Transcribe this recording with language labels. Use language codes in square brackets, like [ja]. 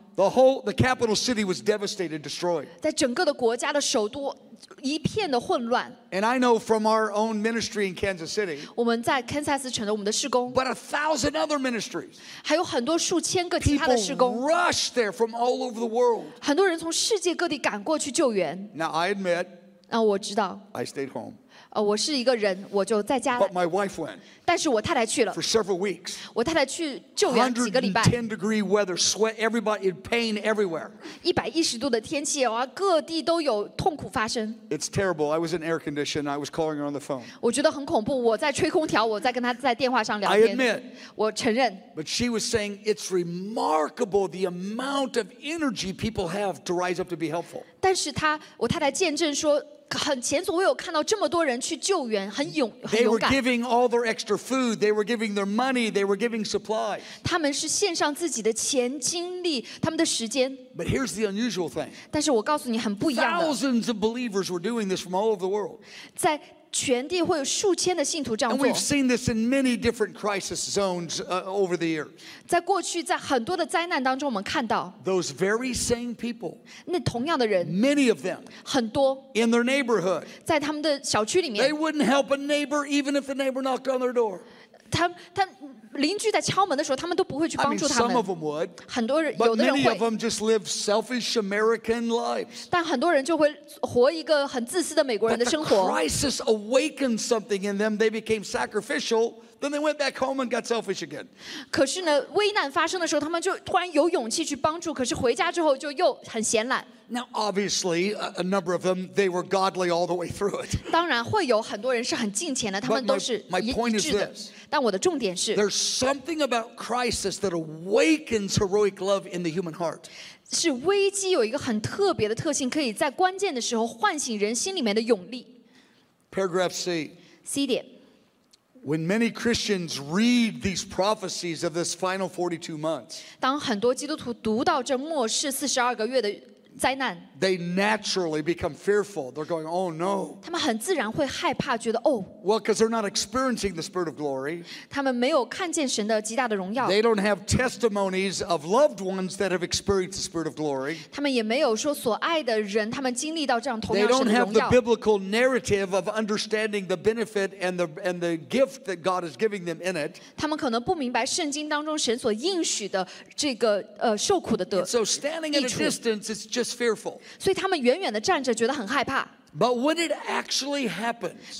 [en] The capital city was devastated, destroyed. [zh] 在整个的国家的首都一片的混乱。 [en] And I know from our own ministry in Kansas City. [zh] 我们在堪萨斯城的我们的事工。 [en] But 1,000 other ministries. [zh] 还有很多数千个其他的事工。 [en] People rush there from all over the world. [zh] 很多人从世界各地赶过去救援。 [en] Now I admit. [zh] 那我知道。 [en] I stayed home. [zh] 我是一个人，我就在家。 [en] But my wife went. [zh] 但是我太太去了。 [en] For several weeks. [zh] 我太太去救援几个礼拜。 [en] 110-degree weather, sweat, everybody in pain everywhere. [zh] 110度的天气，哇，各地都有痛苦发生。 [en] It's terrible. I was in air condition. I was calling her on the phone. [zh] 我觉得很恐怖，我在吹空调，我在跟她在电话上聊天。 [en] I admit. [zh] 我承认。 [en] But she was saying it's remarkable the amount of energy people have to rise up to be helpful. [zh] 但是她，我太太见证说。很前所未有看到这么多人去救援，很勇敢。 [en] They were giving all their extra food. They were giving their money. They were giving supplies. [zh] 他们是献上自己的钱、精力、他们的时间。 [en] But here's the unusual thing. [zh] 但是我告诉你很不一样的。 [en] Thousands of believers were doing this from all over the world. [zh] 在全地会有数千的信徒这样做。 [en] And we've seen this in many different crisis zones over the years. [zh] 在过去，在很多的灾难当中，我们看到 [en] those very same people. [zh] 那同样的人 [en] many of them. [zh] 很多 [en] in their neighborhood. [zh] 在他们的小区里面 [en] they wouldn't help a neighbor even if the neighbor knocked on their door. [zh] 他邻居在敲门的时候，他们都不会去帮助他们。 [en] I mean, some of them would. [zh] 很多人，有的人会。 [en] But many of them just live selfish American lives. [zh] 但很多人就会活一个很自私的美国人的生活。 [en] But the crisis awakened something in them. They became sacrificial. Then they went back home and got selfish again. [zh] 可是呢，危难发生的时候，他们就突然有勇气去帮助。可是回家之后，就又很闲懒。 [en] Now, obviously, a number of them, they were godly all the way through it. [zh] 当然会有很多人是很敬虔的，他们都是一致的。 [en] My point is this. [zh] 但我的重点是 [en] there's something about crisis that awakens heroic love in the human heart. [zh] 是危机有一个很特别的特性，可以在关键的时候唤醒人心里面的勇力。 [en] Paragraph C. [zh] C 点。 [en] When many Christians read these prophecies of this final 42 months, [zh] 当很多基督徒读到这末世42个月的灾难, [en] they naturally become fearful. They're going, oh no. [zh] 他们很自然会害怕，觉得哦。 [en] Well, because they're not experiencing the spirit of glory. [zh] 他们没有看见神的极大的荣耀。 [en] They don't have testimonies of loved ones that have experienced the spirit of glory. [zh] 他们也没有说所爱的人，他们经历到这样同样的荣耀。 [en] They don't have the biblical narrative of understanding the benefit and the gift that God is giving them in it. [zh] 他们可能不明白圣经当中神所应许的这个受苦的得益处。 [en] So standing at a distance is just fearful. [zh] 所以他们远远的站着，觉得很害怕。 [en] But when it actually happens,